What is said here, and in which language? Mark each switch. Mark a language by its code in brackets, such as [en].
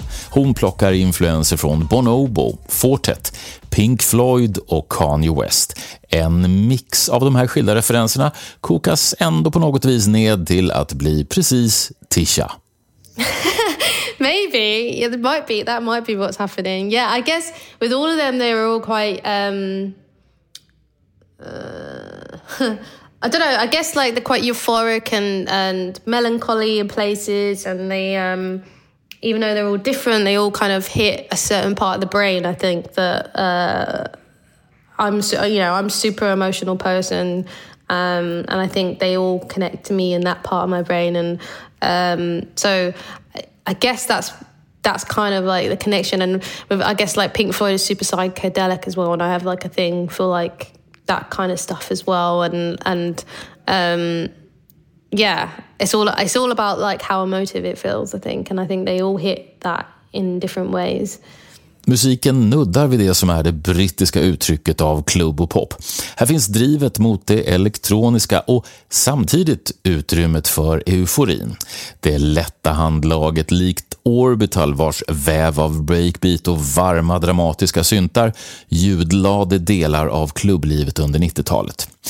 [sv] Hon plockar influenser från Bonobo, Fortet, Pink Floyd och Kanye West. En mix av de här skilda referenserna kokas ändå på något vis ned till att bli precis Tsha. [en] Maybe. Yeah, that might be what's happening. Yeah, I guess with all of them they were all quite I don't know, I guess like they're quite euphoric and melancholy in places, and they, even though they're all different, they all kind of hit a certain part of the brain, I think, that I'm super emotional person, and I think they all connect to me in that part of my brain, and so I guess that's kind of like the connection, and with, I guess like Pink Floyd is super psychedelic as well, and I have like a thing for like that kind of stuff as well, and it's all about like how emotive it feels, I think, and I think they all hit that in different ways. [sv] Musiken nuddar vid det som är det brittiska uttrycket av klubb och pop. Här finns drivet mot det elektroniska och samtidigt utrymmet för euforin. Det lätta handlaget likt Orbital, vars väv av breakbeat och varma dramatiska syntar ljudlade delar av klubblivet under 90-talet.